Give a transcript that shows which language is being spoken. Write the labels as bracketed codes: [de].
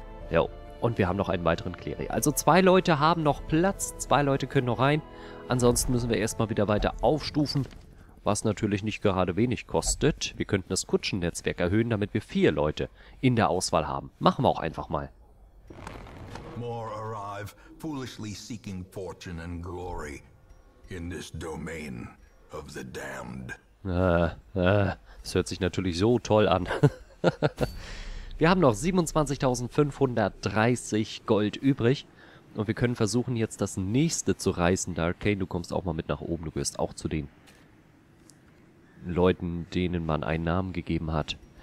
[de] Jo, und wir haben noch einen weiteren Kleri. Also zwei Leute haben noch Platz, zwei Leute können noch rein. Ansonsten müssen wir erstmal wieder weiter aufstufen. Was natürlich nicht gerade wenig kostet. Wir könnten das Kutschennetzwerk erhöhen, damit wir vier Leute in der Auswahl haben. Machen wir auch einfach mal. [en] More arrive, foolishly seeking fortune and glory in this domain of the damned. [de] Das hört sich natürlich so toll an. Wir haben noch 27.530 Gold übrig. Und wir können versuchen, jetzt das nächste zu reißen. Dark Kane, du kommst auch mal mit nach oben. Du gehörst auch zu den Leuten, denen man einen Namen gegeben hat.